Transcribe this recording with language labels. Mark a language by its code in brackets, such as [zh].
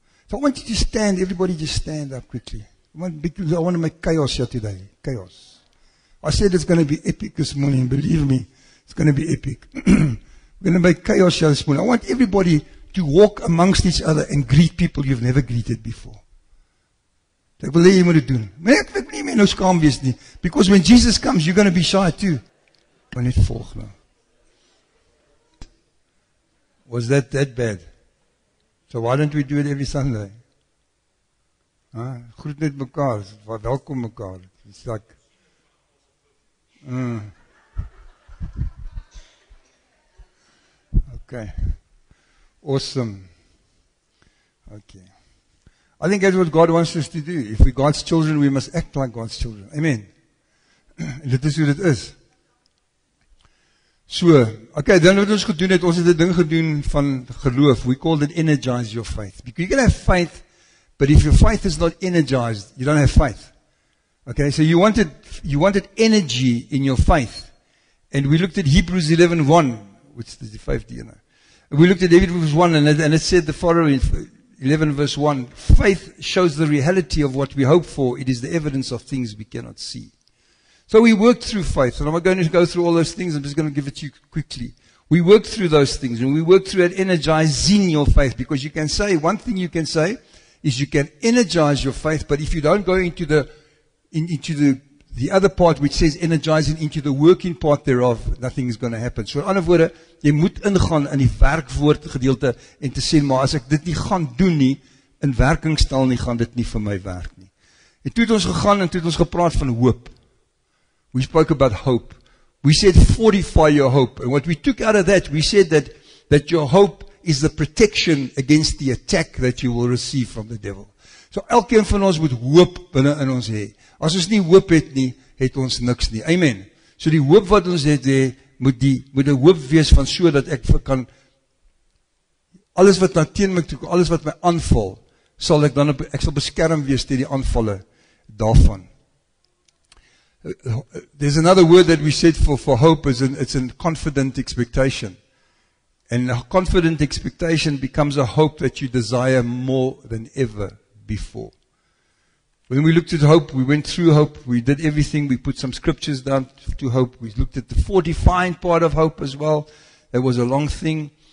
[en] So I want you to stand, everybody just stand up quickly. Because I want to make chaos here today. Chaos. I said it's going to be epic this morning. Believe me, it's going to be epic. We're going to make chaos here this morning. I want everybody to walk amongst each other and greet people you've never greeted before. [af] Ek wil hê jy moet dit doen. Maar ek wil nie meer nou skaam wees nie. [en] Because when Jesus comes, you're going to be shy too. [af] Maar net volg nou. [en] Was that bad? So why don't we do it every Sunday? [af] Groet net mekaar. Welkom mekaar. [en] It's like... Okay. Awesome. Okay. I think that's what God wants us to do. If we're God's children, we must act like God's children. [af] Amen. Dit is hoe dit is. So, okay, dan wat ons gedoen het, ons het 'n ding gedoen van geloof. [en] We call it energize your faith. Because you can have faith, but if your faith is not energized, you don't have faith. Okay, so you wanted energy in your faith. And we looked at Hebrews 11:1, which is the faith, you know. We looked at Hebrews 1 and it said the following, 11 verse 1, faith shows the reality of what we hope for. It is the evidence of things we cannot see. So we worked through faith. And I'm not going to go through all those things. I'm just going to give it to you quickly. We worked through those things. And we worked through it energizing your faith. Because you can say, one thing you can say is you can energize your faith. But if you don't go into the other part which says energizing into the working part thereof, nothing is going to happen. So in other words, [af] jy moet ingaan in die werkwoord gedeelte en te sê, maar as ek dit nie gaan doen nie, in werking stel nie, gaan dit nie vir my werk nie. En toe het ons gegaan en toe het ons gepraat van hoop. [en] We spoke about hope. We said fortify your hope. And what we took out of that, we said that your hope is the protection against the attack that you will receive from the devil. [af] So elkeen van ons moet hoop binne in ons hê. As ons nie hoop het nie, het ons niks nie. Amen. So die hoop wat ons het, moet 'n hoop wees van so dat ek kan, alles wat na teen my toe, alles wat my aanval, sal ek dan, ek sal beskerm wees teen die aanvalle daarvan. [en] There's another word that we said for hope, it's a confident expectation. And a confident expectation becomes a hope that you desire more than ever before. When we looked at hope, we went through hope, we did everything, we put some scriptures down to hope, we looked at the fortifying part of hope as well, that was a long thing.